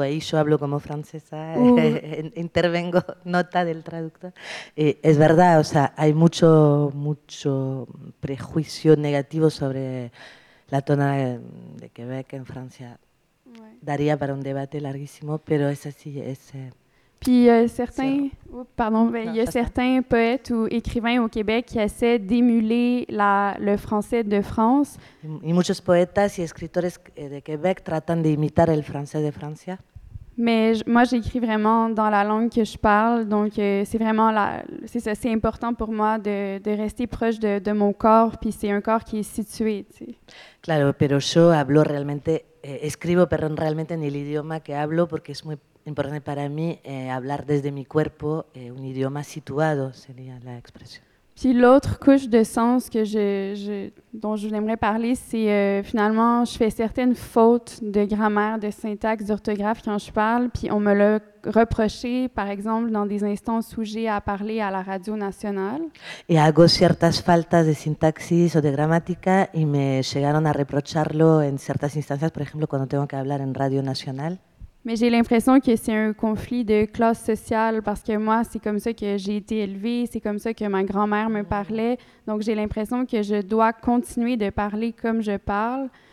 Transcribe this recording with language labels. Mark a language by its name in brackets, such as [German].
[Spanish] Ahí yo hablo como francesa, intervengo, nota del traductor. Es verdad, o sea, hay mucho, mucho prejuicio negativo sobre la tonada de Quebec en Francia. Ouais. Daría para un debate larguísimo, pero es así, es... [French] Il y a certains poètes ou écrivains au Québec qui essaient d'émuler le français de France. [Spanish] Y muchos poetas y escritores de Québec tratan de imitar el francés de Francia. [French] Mais moi, j'écris vraiment dans la langue que je parle, donc c'est vraiment c'est important pour moi de rester proche de mon corps, puis c'est un corps qui est situé. T'sais. [Spanish] Claro, pero yo hablo realmente, escribo, perdón, realmente en el idioma que hablo porque es muy importante para mí hablar desde mi cuerpo, un idioma situado sería la expresión. [French] Puis l'autre couche de sens que dont je voudrais parler, c'est finalement, je fais certaines fautes de grammaire, de syntaxe, d'orthographe quand je parle, puis on me l'a reproché, par exemple, dans des instances où j'ai à parler à la radio nationale. [Spanish] Et hago ciertas faltas de sintaxis o de gramática y me llegaron a reprocharlo en ciertas instancias, por ejemplo, cuando tengo que hablar en radio nationale. [French] Mais j'ai l'impression que c'est un conflit de classe sociale parce que moi, c'est comme ça que j'ai été élevée, c'est comme ça que ma grand-mère me parlait. Donc j'ai l'impression que je dois continuer de parler comme je parle.